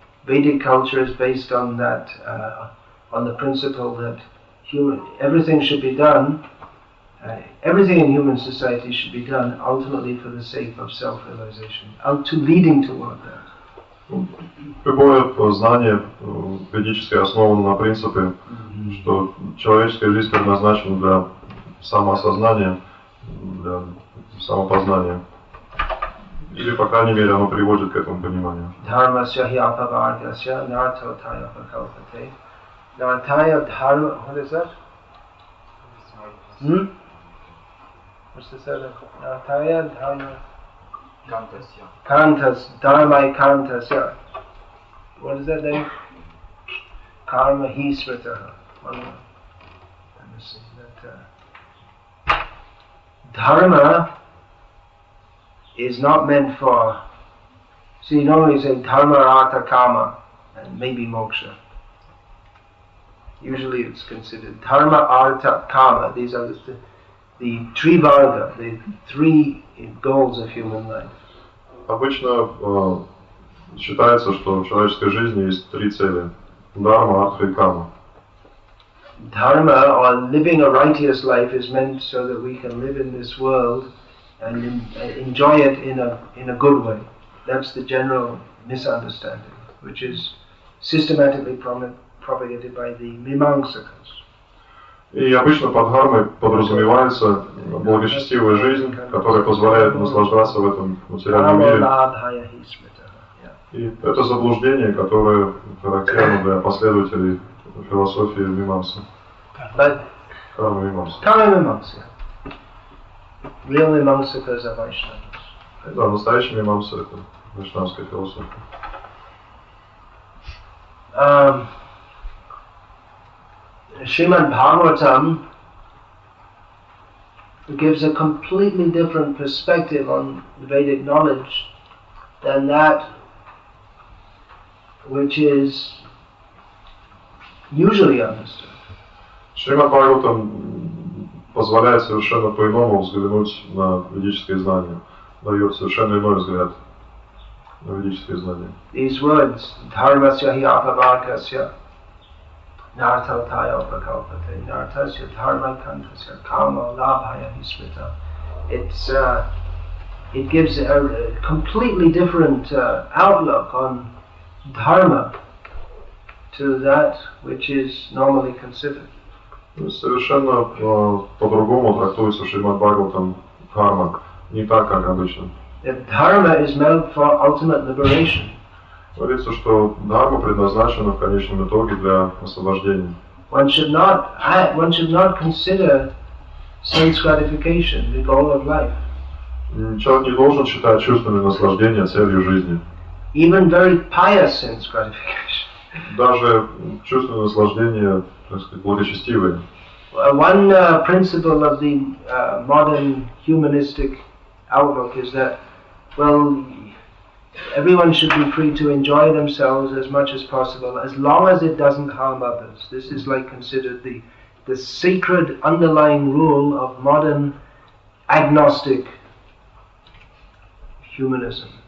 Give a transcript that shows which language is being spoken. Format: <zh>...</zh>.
<en>Vedic culture is based on that, on the principle that everything should be done. Everything in human society should be done ultimately for the sake of self-realization, leading toward that.</en> <ru>Любое знание ведическое основано на принципе, что человеческая жизнь предназначена для самоосознания, для самопознания. Или, по крайней мере, оно приводит к этому пониманию.</ru> <sa>Dharma syahi apavargasya nato taya pakalpate. Nataya dharma...</sa> <en>What is that? What's the third one?</en> <sa>Nataya dharma... Kantasya. Kantasya. Dharma kantasya.</sa> <en>What is that then?</en> <sa>Karma hi svataha.</sa> <en>One more. Let me see. That, dharma is not meant for... See, normally you say dharma, artha, kama, and maybe moksha. Usually it's considered dharma, artha, kama. These are the trivarga, the three goals of human life.</en> <ru>Обычно считается, что в человеческой жизни есть три цели: дхарма, артха и кама.</ru> <en>Dharma, or living a righteous life, is meant so that we can live in this world and enjoy it in a good way. That's the general misunderstanding, which is systematically propagated by the Mimamsakas.</en> <ru>И обычно под дхармой подразумевается благочестивая жизнь, которая позволяет наслаждаться в этом материальном мире. И это заблуждение, которое характерно для последователей философии Мимамсы.</ru> <en>Карма-мимамса. Real Mimamsakas are Vaishnavas.</en> <ru>Да, настоящий Мимамса — это вайшнавская философия.</ru> <en>Srimad Bhagavatam gives a completely different perspective on Vedic knowledge than that which is usually understood.</en> <ru>Srimad Bhagavatam позволяет совершенно по-иному взглянуть на ведические знания, дает совершенно иной взгляд на ведические знания.</ru> <en>These words,</en> <sa>dharmasya hi apavakasya, nartautaya apakalpate, nartasya dharma kantasya kama labhaya hismita.</sa> <en>It gives a completely different outlook on dharma to that which is normally considered.</en> <ru>Совершенно по-другому трактуется Шримад Бхагаватам дхарма, не так, как обычно.</ru> <en>Dharma is meant for ultimate liberation.</en> <ru>Говорится, что дхарма предназначена в конечном итоге для освобождения.</ru> <en>One should not consider sense gratification the goal of life.</en> <ru>Человек не должен считать чувственное наслаждение целью жизни.</ru> <en>Even very pious sense gratification.</en> <ru>Даже чувственное наслаждение, так сказать, благочестивое.</ru> <en>One principle of the modern humanistic outlook is that, well, everyone should be free to enjoy themselves as much as possible, as long as it doesn't harm others. This is like considered the sacred underlying rule of modern agnostic humanism.</en>